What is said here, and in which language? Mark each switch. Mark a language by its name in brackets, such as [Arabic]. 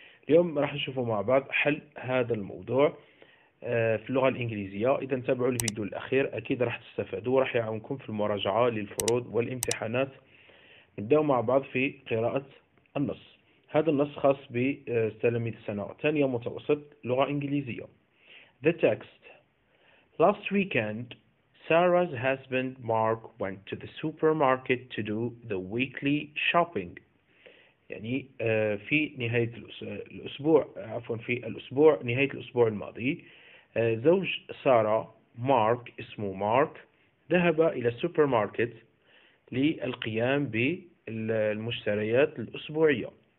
[Arabic] اليوم راح نشوفوا مع بعض حل هذا الموضوع في اللغة الإنجليزية. إذا تابعوا الفيديو الأخير أكيد راح تستفادوا وراح يعاونكم في المراجعة للفروض والامتحانات. نبدأ مع بعض في قراءة النص. هذا النص خاص بتلاميذ سنة ثانية متوسط لغة إنجليزية. [English] The text: Last weekend, Sarah's husband Mark went to the supermarket to do the weekly shopping. [Arabic] يعني في نهاية الأسبوع، عفوا في الأسبوع، نهاية الأسبوع الماضي، زوج سارة مارك، اسمه مارك، ذهب إلى السوبرماركت للقيام بالمشتريات الأسبوعية.